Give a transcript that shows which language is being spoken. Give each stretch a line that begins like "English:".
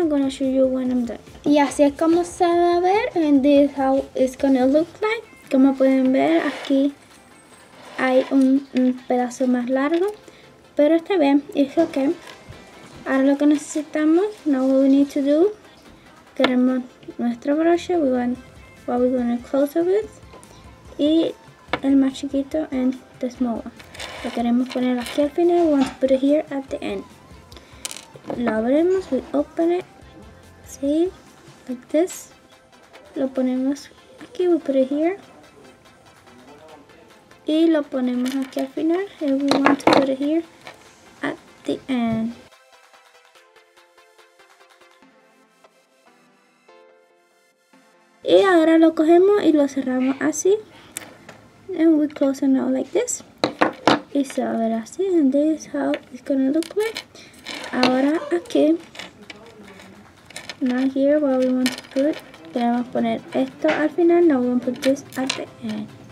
English: I'm going to show you when I'm done.
Spanish: Y así es como se va a ver.
English: And this is how it's going to look like.
Spanish: Como pueden ver, aquí hay un pedazo más largo. Pero está bien.
English: It's okay.
Spanish: Ahora lo que necesitamos.
English: Now what we need to do.
Spanish: Queremos nuestro broche,
English: we want what we're going to close it with,
Spanish: y el más chiquito
English: and the small one.
Spanish: Lo queremos poner aquí al final,
English: we want to put it here at the end.
Spanish: Lo abrimos,
English: we open it, see, like this.
Spanish: Lo ponemos aquí,
English: we put it here.
Spanish: Y lo ponemos aquí al final,
English: and we want to put it here at the end.
Spanish: Y ahora lo cogemos y lo cerramos así.
English: And we close it now like this.
Spanish: Y se va a ver así.
English: And this is how it's gonna look like.
Spanish: Ahora aquí.
English: Now here what we want to put.
Spanish: Queremos poner esto al final.
English: Now we're gonna put this at the end.